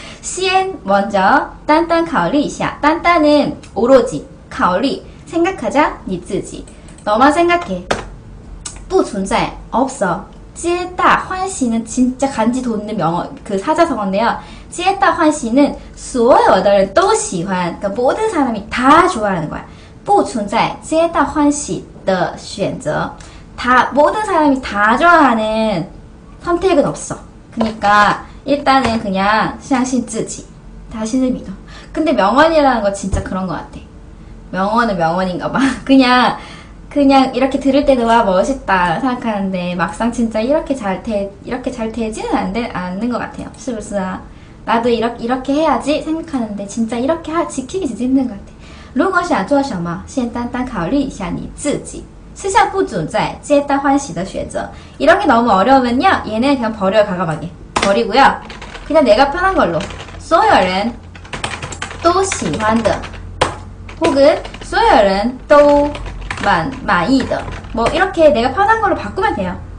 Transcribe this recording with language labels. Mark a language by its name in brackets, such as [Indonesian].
[Korean] CN 먼저 딴딴 考虑一下. 딴딴은 오로지 考虑, 생각하자, 你自己, 너만 생각해. 不存在, 없어. 皆大欢喜는 진짜 간지 돋는 명어, 그 사자성어인데요. 皆大欢喜는 [Chinese] 所有的人都喜欢, [Korean] 그러니까 모든 사람이 다 좋아하는 거야. [Chinese] 不存在皆大欢喜的选择. [Korean] 다, 모든 사람이 다 좋아하는 선택은 없어. 그러니까 일단은 그냥 相信自己, 자신을 믿어. 근데 명언이라는 거 진짜 그런 것 같아. 명언은 명언인가 봐. 그냥 이렇게 들을 때도 와 멋있다 생각하는데 막상 진짜 이렇게 잘 되지는 않는 것 같아요. [Chinese] 是不是? [Korean] 나도 이렇게 해야지 생각하는데 진짜 이렇게 지키기 진짜 힘든 것 같아. [Chinese] 如果想做什么先单单考虑一下你自己世上不存在皆大欢喜的选择. [Korean] 이런 게 너무 어려우면요, 얘네는 그냥 버려요. 가감하게 버리고요, 그냥 내가 편한 걸로. 所有人都喜欢的, 혹은 [Chinese] 所有人都满意的, [Korean] 뭐 이렇게 내가 편한 걸로 바꾸면 돼요.